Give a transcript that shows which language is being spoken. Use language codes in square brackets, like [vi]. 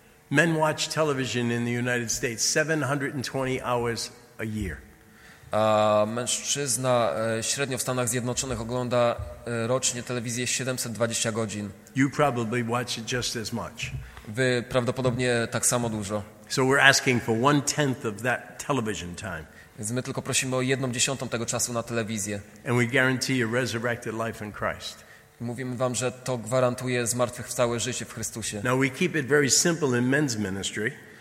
[en] Men watch television in the United States 720 hours a year. [pl] Mężczyzna średnio w Stanach Zjednoczonych ogląda rocznie telewizję 720 godzin. [en] You probably watch it just as much. [pl] Wy prawdopodobnie tak samo dużo. [en] So we're asking for 1/10 of that television time. [pl] Więc my tylko prosimy o 1/10 tego czasu na telewizję. [en] And we guarantee a resurrected life in Christ. [pl] Mówimy wam, że to gwarantuje zmartwychwstałe życie w Chrystusie. [en] Now we keep it very simple in men's ministry.